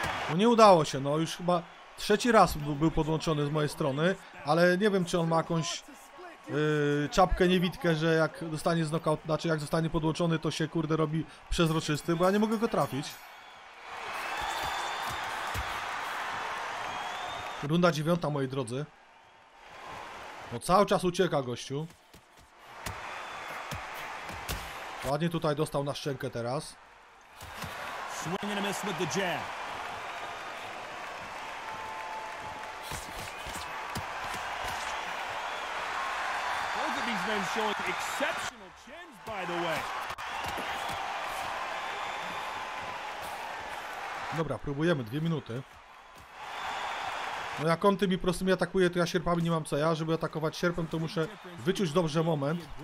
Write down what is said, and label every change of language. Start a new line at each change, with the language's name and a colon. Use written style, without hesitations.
Polish: No nie udało się, no już chyba trzeci raz był podłączony z mojej strony, ale nie wiem, czy on ma jakąś czapkę niewidkę, że jak zostanie znokaut, znaczy jak zostanie podłączony, to się kurde robi przezroczysty, bo ja nie mogę go trafić. Runda dziewiąta, moi drodzy. No cały czas ucieka gościu. Ładnie tutaj dostał na szczękę teraz.
English: Swing and a miss with the jab. Both of these men showing exceptional chins, by the way.
Polish: Dobra, próbujemy 2 minuty. No jak on tymi prostymi atakuje, to ja sierpami nie mam co. Ja, żeby atakować sierpem, to muszę wyczuć dobrze moment.